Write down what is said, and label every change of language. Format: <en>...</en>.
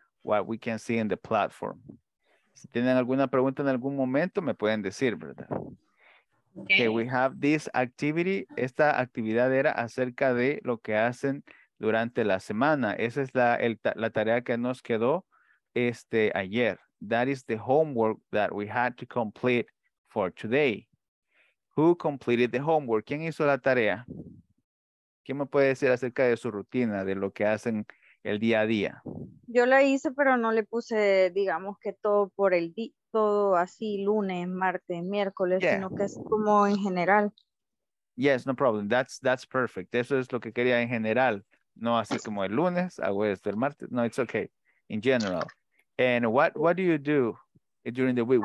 <en>what we can see in the platform.</en> <es>Si tienen alguna pregunta en algún momento, me pueden decir, ¿verdad? Okay.</es> <en>Okay, we have this activity.</en> <es>Esta actividad era acerca de lo que hacen durante la semana. Esa es la, la tarea que nos quedó ayer.</es> <en>That is the homework that we had to complete for today. Who completed the homework?</en> <es>¿Quién hizo la tarea? ¿Quién me puede decir acerca de su rutina, de lo que hacen el día a día? Yo la hice, pero no le puse, digamos, que todo por el día, todo así, lunes, martes, miércoles, yeah, sino que es como en general.</es> <en>Yes, no problem. That's perfect.</en> <es>Eso es lo que quería en general. No así como el lunes, hago esto el martes.</es> <en>No, it's okay. In general. And what do you do during the week?</en>